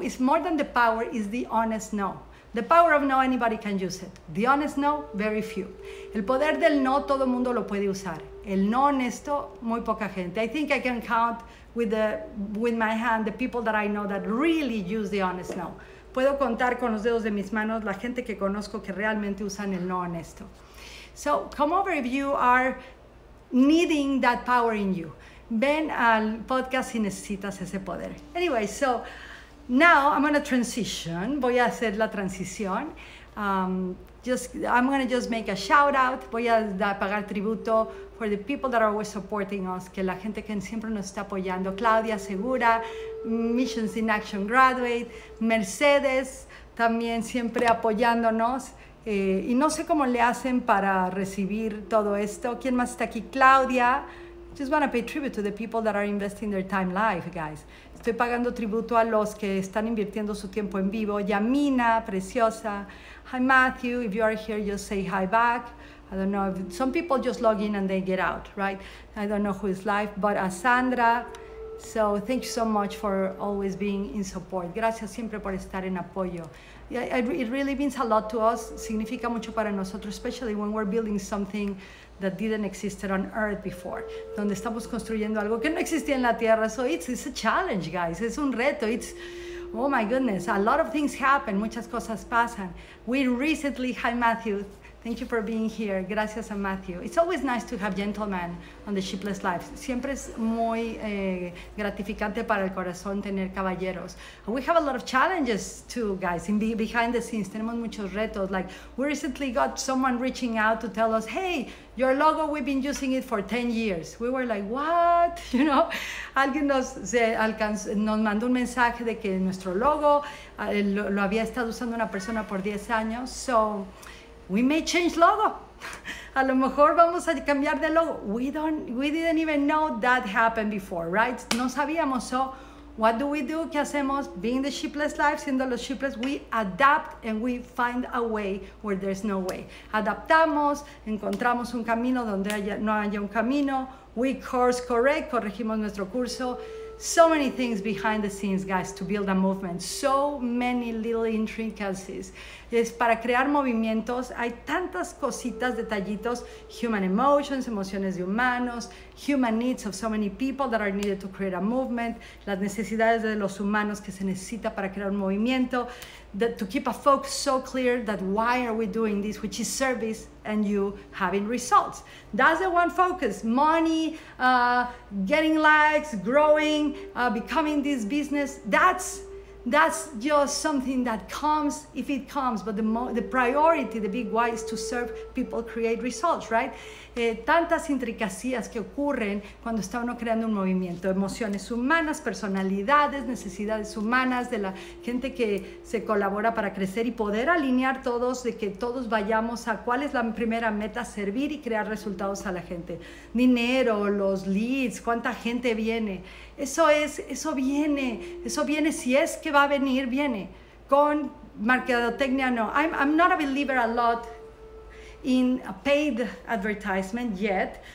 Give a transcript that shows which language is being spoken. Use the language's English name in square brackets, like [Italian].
[English] It's more than the power, it's the honest no. The power of no, anybody can use it. The honest no, very few. [Spanish] El poder del no, todo mundo lo puede usar. El no honesto, muy poca gente. [English] I think I can count with my hand, the people that I know that really use the honest no. [Spanish] Puedo contar con los dedos de mis manos la gente que conozco que realmente usan el no honesto. [English] So come over if you are needing that power in you. [Spanish] Ven al podcast si necesitas ese poder. [English] Anyway, so now I'm gonna transition. [Spanish] Voy a hacer la transición. [English] I'm gonna just make a shout out. [Spanish] Voy a pagar tributo [English] for the people that are always supporting us, [Spanish] que la gente que siempre nos está apoyando. Claudia Segura, Missions in Action graduate, Mercedes, también siempre apoyándonos. Y no sé cómo le hacen para recibir todo esto. ¿Quién más está aquí? Claudia. [English] Just wanna pay tribute to the people that are investing their time live, guys. [Spanish] Estoy pagando tributo a los que están invirtiendo su tiempo en vivo. Yamina, preciosa. [English] Hi, Matthew, if you are here, just say hi back. I don't know, some people just log in and they get out, right? I don't know who is live, but Sandra. So thank you so much for always being in support. [Spanish] Gracias siempre por estar en apoyo. [English] It really means a lot to us. [Spanish] Significa mucho para nosotros, [English] especially when we're building something that didn't exist on earth before. [Spanish] Donde estamos construyendo algo que no existía en la tierra. [English] So it's a challenge, guys. [Spanish] Es un reto. [English] It's, oh my goodness, a lot of things happen. [Spanish] Muchas cosas pasan. [English] We recently, hi Matthew, Thank you for being here. [Spanish] Gracias a Matthew. [English] It's always nice to have gentlemen on the Sheepless Lives. [Spanish] Siempre es muy gratificante para el corazón tener caballeros. [English] We have a lot of challenges too, guys, in behind the scenes. [Spanish] Tenemos muchos retos. [English] Like, we recently got someone reaching out to tell us, hey, your logo, we've been using it for 10 years. We were like, what? You know? [Spanish] Alguien nos mandó un mensaje de que nuestro logo lo había estado usando una persona por 10 años. [English] So, we may change logo. [Spanish] A lo mejor vamos a cambiar de logo. [English] We didn't even know that happened before, right? [Spanish] No sabíamos. [English] So, what do? [Spanish] ¿Qué hacemos? [English] Being the Sheepless Life, [Spanish] siendo los Sheepless, [English] we adapt and we find a way where there's no way. [Spanish] Adaptamos, encontramos un camino donde no haya un camino. [English] We course correct, [Spanish] corregimos nuestro curso. [English] So many things behind the scenes, guys, to build a movement. So many little intricacies. [Spanish] Es para crear movimientos, hay tantas cositas, detallitos, [English] human emotions, [Spanish] emociones de humanos, [English] human needs of so many people that are needed to create a movement, [Spanish] las necesidades de los humanos que se necesita para crear un movimiento, [English] to keep a focus so clear that why are we doing this, which is service and you having results. That's the one focus, money, getting likes, growing, becoming this business, that's just something that comes if it comes, but the priority, the big why, is to serve people, create results, right? [Spanish] Tantas intricacias que ocurren cuando está uno creando un movimiento, emociones humanas, personalidades, necesidades humanas de la gente que se colabora para crecer y poder alinear todos, de que todos vayamos a cuál es la primera meta, servir y crear resultados a la gente. Dinero, los leads, cuánta gente viene. Eso viene, si es que va a venir, viene. Con mercadotecnia, no. [English] I'm not a believer a lot in a paid advertisement yet.